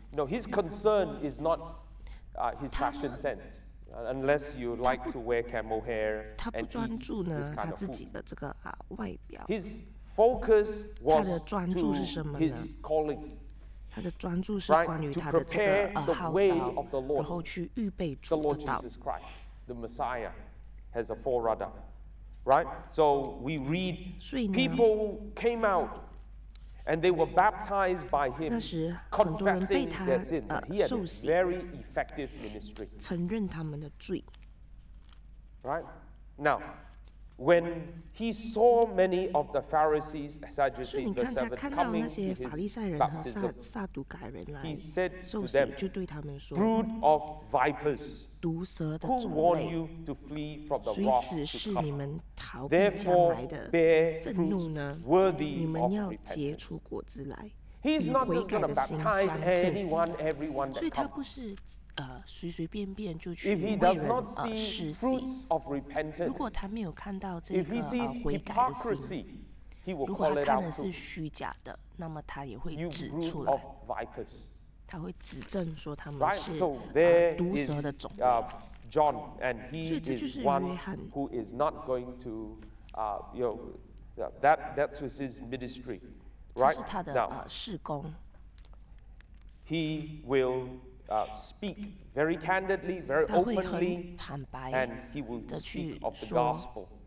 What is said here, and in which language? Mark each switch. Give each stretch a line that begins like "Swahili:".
English: No, his concern is not his fashion sense, unless you like to wear camel hair and eat this kind of food. His focus was to his calling.
Chinese: 他的专注是关于他的这个号召，然后去预备主的道。
English: The Lord Jesus Christ, the Messiah, has a forerunner. Right, so we read. People came out, and they were baptized by him, confessing their sins. He had a very effective ministry.
Chinese: 承认他们的罪
English: Right, now, when he saw many of the Pharisees, Sadducees, verse 7, coming to his baptism, he said to them, "Brood of vipers."
Chinese: 毒蛇的种类，谁指示你们逃避将来的愤怒呢？你们要结出果子来。
English: He's not just going to baptize anyone, everyone that comes.
Chinese: 随随便便就去为人施洗。如果他没有看到这个悔改的心，如果他看的是虚假的，那么他也会指出来，他会指证说他们是毒蛇的种。所以这就是约翰。
English: Who is not going to, you know, that was his ministry, right?
Chinese: 这是他的事工。
English: He will. Speak very candidly, very openly, and he will speak of the gospel.